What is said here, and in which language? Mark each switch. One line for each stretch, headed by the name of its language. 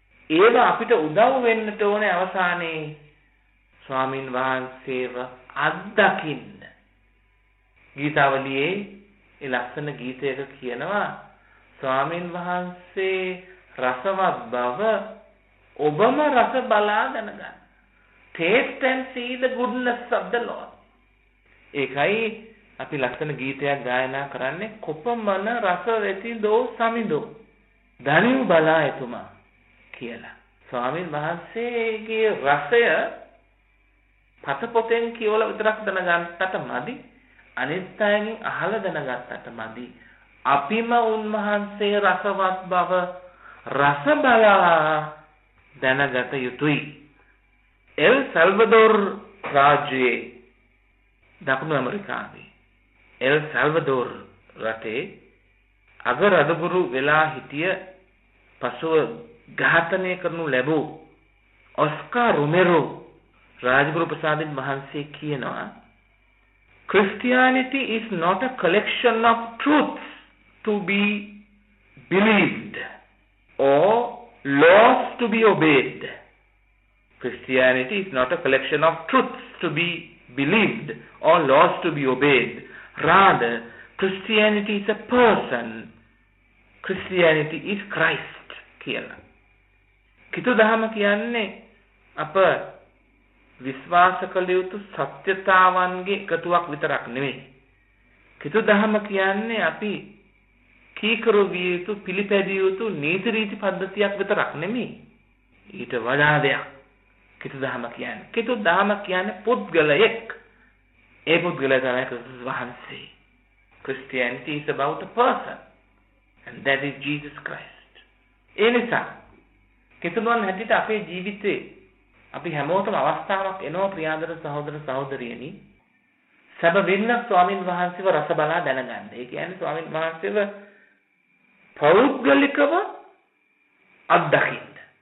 Sinhala: ඒක අපිට උදව් වෙන්නට ඕනේ අවසානයේ ස්වාමින් වහන්සේව අත්දකින්න. ගීතාවලියේ ඒ ලස්සන ගීතයක කියනවා ස්වාමින් වහන්සේ රසවත් බව ඔබම රස බලා දැනගන්න.
English: Taste and see the goodness of the Lord.
Sinhala: ඒකයි අපි ලස්සන ගීතයක් ගායනා කරන්නේ කොපමණ රස වෙති දෝ සමිදෝ දනිව් බලා එතුමා කියලා. ස්වාමීන් වහන්සේගේ රසය පත පොතෙන් කියවල විතරක් දැනගත්තට මදි, අනිත් අයගෙන් අහලා දැනගත්තට මදි. අපිම උන්වහන්සේ රසවත් බව රස බලා දැනගත යුතුයි. එල් සල්වදෝර් රාජ්‍යයේ දකුණු ඇමරිකාවේ එල් සල්වදෝර් රටේ අගරදුගුරු වෙලා හිටිය පසුව ඝාතනය කරනු ලැබූ ඔස්කා රුමෙරෝ රාජගුරු ප්‍රසාදින් වහන්සේ කියනවා,
English: Christianity is not a collection of truths to be believed or laws to be obeyed. Christianity is not a collection of truths to be believed or laws to be obeyed. Rather, Christianity is a person. Christianity is Christ.
Sinhala: කියලා. කිතු දහම කියන්නේ අප විශ්වාස කළ යුතු සත්‍යතාවන්ගේ එකතුවක් විතරක් නෙමෙයි. කිතු දහම කියන්නේ අපි කීකරු විය යුතු පිළිපැදිය යුතු නීති රීති පද්ධතියක් විතරක් නෙමෙයි. ඊට වඩා දෙයක්. කිතු දහම කියන්නේ. කිතු දහම කියන්නේ පුද්ගලයෙක්. ඒ පුද්ගලයා තමයි ක්‍රිස්තුස් වහන්සේ.
English: Christianity is about a person. And that is Jesus Christ.
Sinhala: ඒ නිසා කිතුනුවන් හැටියට අපේ ජීවිතේ අපි හැමෝටම අවස්ථාවක් එනවා ප්‍රියාදර සහෝදර සහෝදරියනි සැබවින්ම ස්වාමින් වහන්සේව රස බලා දැනගන්න. ඒ කියන්නේ ස්වාමින් වහන්සේව පෞද්ගලිකව අත්දකින්න.